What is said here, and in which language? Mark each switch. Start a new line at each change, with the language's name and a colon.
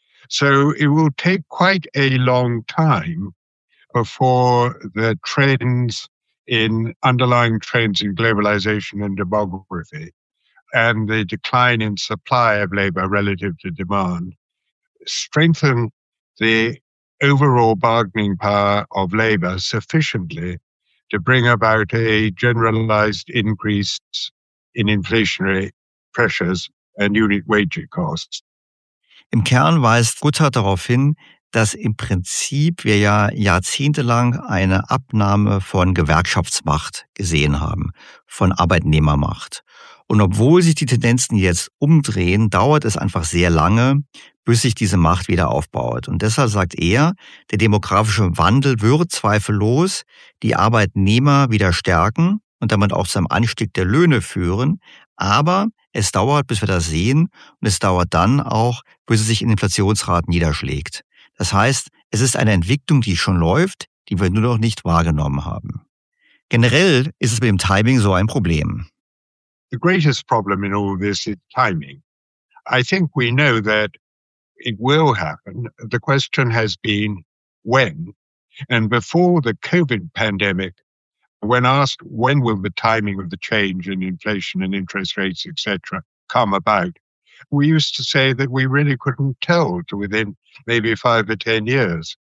English: So it will take quite a long time before the trends in underlying trends in globalization and demography and the decline in supply of labor relative to demand strengthen the overall bargaining power of labor sufficiently to bring about a generalized increase in inflationary pressures and unit wage costs.
German: Im Kern weist Guthardt darauf hin, dass im Prinzip wir ja jahrzehntelang eine Abnahme von Gewerkschaftsmacht gesehen haben, von Arbeitnehmermacht. Und obwohl sich die Tendenzen jetzt umdrehen, dauert es einfach sehr lange, bis sich diese Macht wieder aufbaut. Und deshalb sagt er, der demografische Wandel wird zweifellos die Arbeitnehmer wieder stärken und damit auch zu einem Anstieg der Löhne führen. Aber es dauert, bis wir das sehen, und es dauert dann auch, bis es sich in Inflationsraten niederschlägt. Das heißt, es ist eine Entwicklung, die schon läuft, die wir nur noch nicht wahrgenommen haben. Generell ist es mit dem Timing so ein Problem.
English: The greatest problem in all this is timing. I think we know that it will happen. The question has been when. And before the COVID pandemic, when asked when will the timing of the change in inflation and interest rates, et cetera, come about, we used to say that we really couldn't tell to within maybe 5 or 10 years.